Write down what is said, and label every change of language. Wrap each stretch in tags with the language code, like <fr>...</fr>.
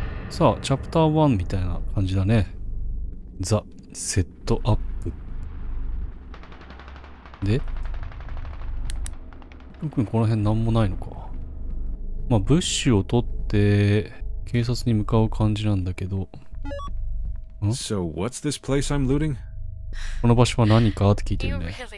<ja>さあ、チャプター1みたいな感じだね。ザ・セットアップ。で、特にこの辺なんもないのか。まあ、物資を取って、警察に向かう感じなんだけど。</ja> <en>So、what's this place I'm looting?</en> <ja>この場所は何かって聞いてるね。</ja>